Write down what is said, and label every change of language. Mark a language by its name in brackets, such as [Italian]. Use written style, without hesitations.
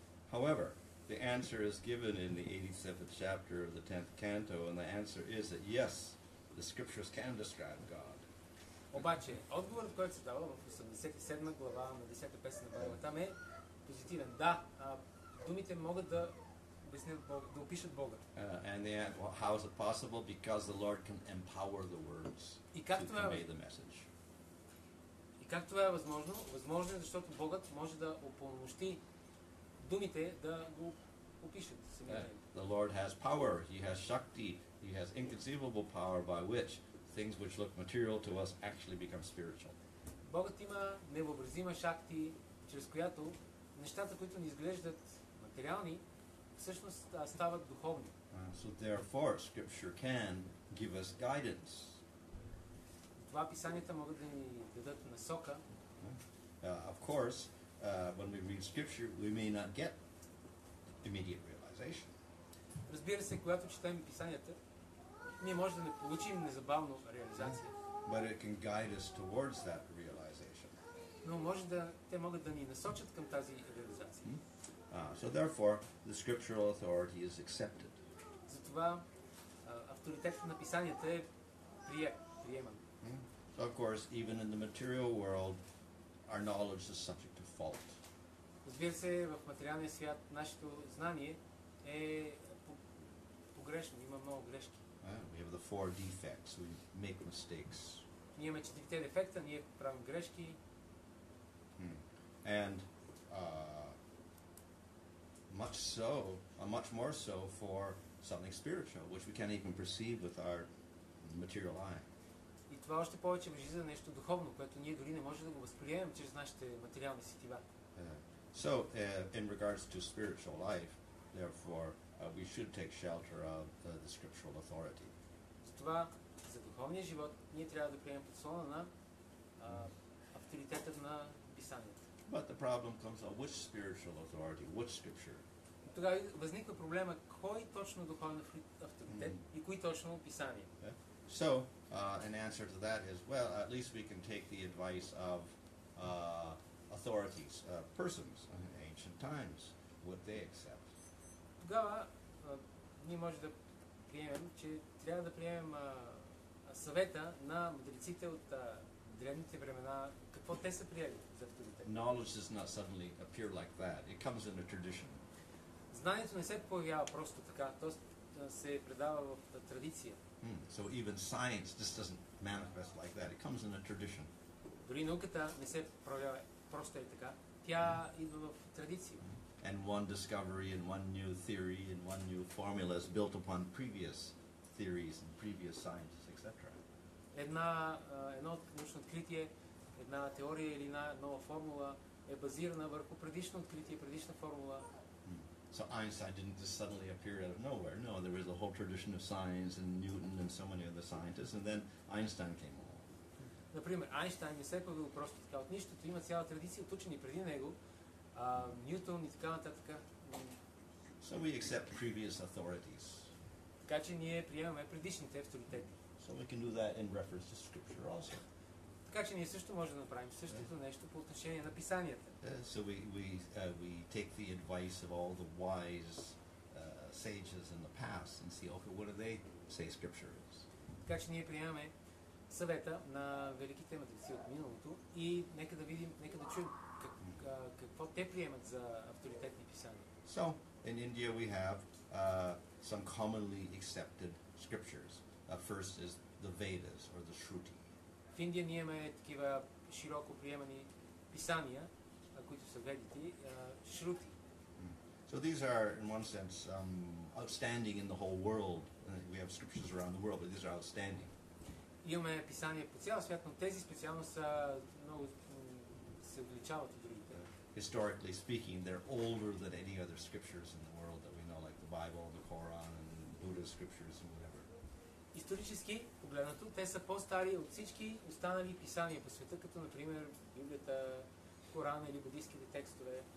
[English] However, the answer is given in the 87th chapter of the 10th canto, and the answer is that yes, the scriptures can describe God. [Bulgarian] Обаче, отговорът, който се дава в 87-та глава на 10-та песен на Бхагаватам е позитивен. Да, думите могат да опишат Бога. [English] And then, well, how is it possible? Because the Lord can empower the words to convey the message. [Bulgarian] И как това е възможно? Възможно е, защото Богът може да упълномощи думите да го опишат. [English] The Lord has power. He has Shakti. He has inconceivable power by which things which look material to us actually become spiritual. [Bulgarian] Богът има невъобразима шакти, чрез която нещата, които ни изглеждат материални, всъщност стават духовни. [English] So therefore, scripture can give us guidance. [Bulgarian] Това писанията могат да ни дадат насока. [English] Of course, when we read scripture, we may not get immediate realization. [Bulgarian] Разбира се, когато четем писанията, ние може да не получим незабавно реализация. [English] But it can guide us towards that realization. [Bulgarian] Но може да те могат да ни насочат към тази реализация. [English] So therefore, the scriptural authority is accepted. [Bulgarian] Затова авторитетът на писанията е приеман. [English] So of course, even in the material world, our knowledge is subject to fault. [Bulgarian] Разбира се, в материалния свят нашето знание е погрешно, има много грешки. [English] We have the four defects. We make mistakes. [Bulgarian] Ние имаме четирите дефекта, ние правим грешки. [English] And much so, much more so for something spiritual, which we can't even perceive with our material eye. [Bulgarian] И това още повече важи за нещо духовно, което ние дори не можем да го възприемем чрез нашите материални сетива. [English] So, in regards to spiritual life, therefore, we should take shelter of the scriptural authority. [Bulgarian] Затова за духовния живот ние трябва да приемем под слона на авторитета на писанието. [English] But the problem comes of which spiritual authority, which scripture? [Bulgarian] Тогава възниква проблема кой точно духовен авторитет и кой точно писание. [English] So, an answer to that is, well, at least we can take the advice of authorities, persons in ancient times, what they accept. [Bulgarian] Тогава ние може да приемем, че трябва да приемем съвета на мъдреците от древните времена, какво те са приели за авторитет. [English] Knowledge does not suddenly appear like that. It comes in a tradition. [Bulgarian] Знанието не се появява просто така, то се предава в традиция. [English] So even science just doesn't manifest like that. It comes in a tradition. [Bulgarian] Дори науката не се проявява просто е така. Тя идва в традиция. [English] And one discovery and one new theory and one new formula is built upon previous theories and previous sciences, etc. [Bulgarian] Едно научно откритие, една теория или една нова формула е базирана върху предишно откритие, предишна формула. [English] So Einstein didn't just suddenly appear out of nowhere. No, there was a whole tradition of science and Newton and so many other scientists, and then Einstein came along. [Bulgarian] Например, Einstein не се появил просто така от нищото. Има цяла традиция от учени преди него. Ньютон и така нататък. [English] So we accept previous authorities. [Bulgarian] Така че ние приемаме предишните авторитети. [English] So we can do that in reference to scripture also. [Bulgarian] Така че ние също можем да направим същото нещо по отношение на писанията. [English] So we take the advice of all the wise sages in the past and see, okay, what do they say scripture is? [Bulgarian] Така че ние приемаме съвета на великите мъдреци от миналото и нека да видим, нека да чуем какво те приемат за авторитетни писания. [English] So, in India we have some commonly accepted scriptures. First is the Vedas or the Shruti. [Bulgarian] В Индия ние имаме такива широко приемани писания, които са ведите, Shruti. [English] So these are, in one sense, outstanding in the whole world. We have scriptures around the world, but these are outstanding. [Bulgarian] Имаме писания по цял свят, но тези специално са много се отличават от другите. [English] Historically speaking, they're older than any other scriptures in the world that we know, like the Bible, the Quran, and Buddhist scriptures and whatever. [Bulgarian] Исторически погледнато, те са по-стари от всички останали писания по света, като например Библията, Корана или будистските текстове.